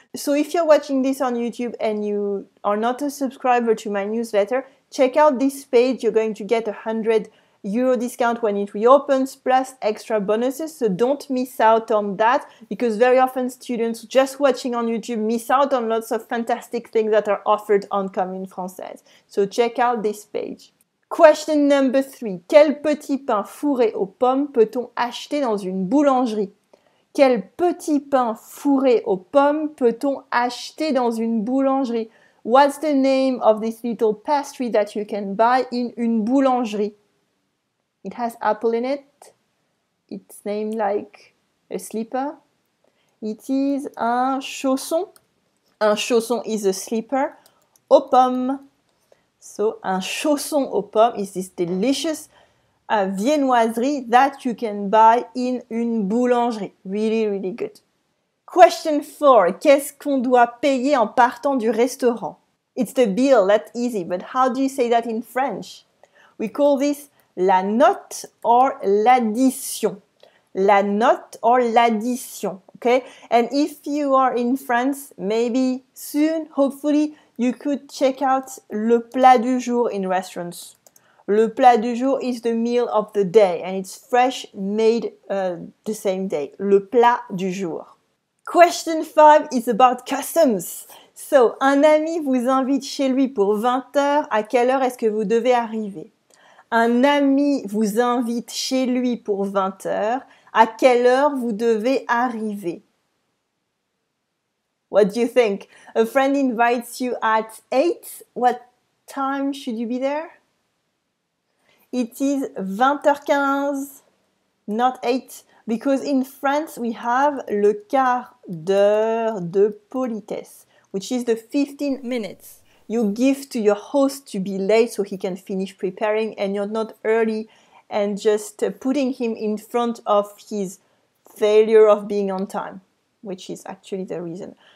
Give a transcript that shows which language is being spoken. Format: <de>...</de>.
<en>So if you're watching this on YouTube and you are not a subscriber to my newsletter, check out this page. You're going to get 100 euro discount when it reopens, plus extra bonuses, so don't miss out on that, because very often students just watching on YouTube miss out on lots of fantastic things that are offered on Commune Française. So check out this page. Question number three.</en> <fr>Quel petit pain fourré aux pommes peut-on acheter dans une boulangerie? Quel petit pain fourré aux pommes peut-on acheter dans une boulangerie?</fr> <en>What's the name of this little pastry that you can buy in une boulangerie? It has apple in it. It's named like a slipper. It is un chausson. Un chausson is a slipper aux pommes. So, un chausson aux pommes is this delicious viennoiserie that you can buy in une boulangerie. Really, really good. Question 4.</en> <fr>Qu'est-ce qu'on doit payer en partant du restaurant?</fr> <en>It's the bill, that's easy. But how do you say that in French? We call this la note or l'addition. La note or l'addition, okay? And if you are in France, maybe soon, hopefully, you could check out le plat du jour in restaurants. Le plat du jour is the meal of the day and it's fresh made the same day. Le plat du jour. Question 5 is about customs.</en> <fr>So, un ami vous invite chez lui pour 20 heures, à quelle heure est-ce que vous devez arriver? Un ami vous invite chez lui pour 20 heures, à quelle heure vous devez arriver?</fr> <en>What do you think? A friend invites you at 8, what time should you be there? It is 20h15, not 8, because in France we have</en> <fr>le quart d'heure de politesse,</fr> <en>which is the 15 minutes you give to your host to be late so he can finish preparing and you're not early and just putting him in front of his failure of being on time, which is actually the reason.</en>